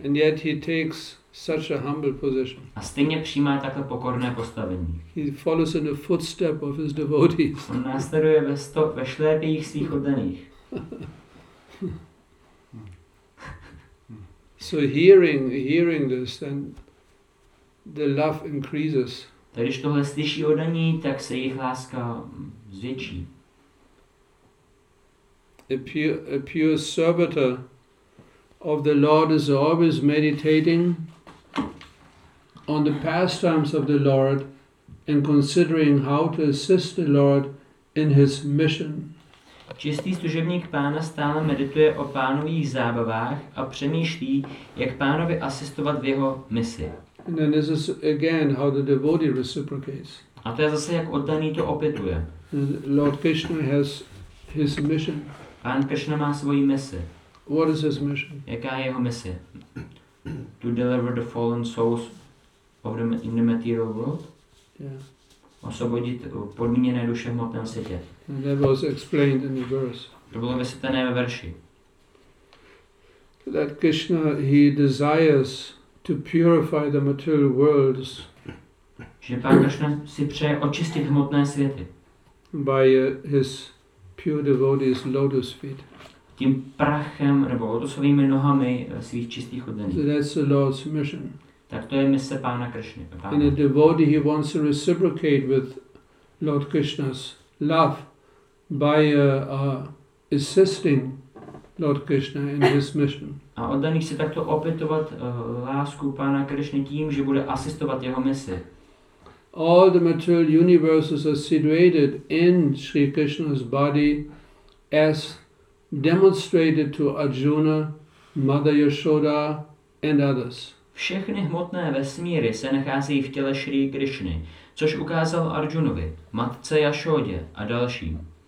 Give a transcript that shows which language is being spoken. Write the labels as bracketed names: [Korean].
[English] And yet he takes such a humble position. [Czech] A stejně přijímá takhle pokorné postavení. [English] He follows in the footstep of his devotees. [Czech] On následuje ve stop, ve šlépích svých oddaných. [English] So hearing this, then the love increases. [Czech] Tak když tohle slyší oddaní, tak se jejich láska zvětší. [English] A pure servitor of the Lord is always meditating on the pastimes of the Lord and considering how to assist the Lord in his mission. [Czech] Čistý služebník Pána stále medituje o pánových zábavách a přemýšlí, jak pánovi asistovat v jeho misi. [English] And then this is again how the devotee reciprocates. [Czech] A to je zase, jak oddaný to opětuje. [English] Lord Krishna has his mission. [Czech] Pán Krishna má svoji misi. [English] What is his mission? [Czech] Jaká je jeho misi? [English] To deliver the fallen souls of the, in the material world? Yeah. [Czech] Osvobodit podmíněné duše v hmotném světě. [English] And that was explained in the verse. [Czech] To bylo vysvětlené ve verši. [English] That Krishna, he desires to purify the material worlds. [Czech] Že Pán Krishna si přeje očistit hmotné světy. [English] by his pure devotee's lotus feet. [Czech] Tím prachem nebo lotosovými nohami svých čistých oddaných. [English] So that's the Lord's mission. [Czech] Tak to je mise pána Krishny. [English] In a devotee, he wants to reciprocate with Lord Krishna's love by assisting Lord Krishna in his mission. [Czech] A oddaný se takto opětovat lásku pána Krishny tím, že bude asistovat jeho misi. [English] All the material universes are situated in Sri Krishna's body as demonstrated to Arjuna, Mother Yashoda and others. [Czech] Všechny hmotné vesmíry se nacházejí v těle Sri Krishny, což ukázal Arjunovi, matce Yashodě a dalším.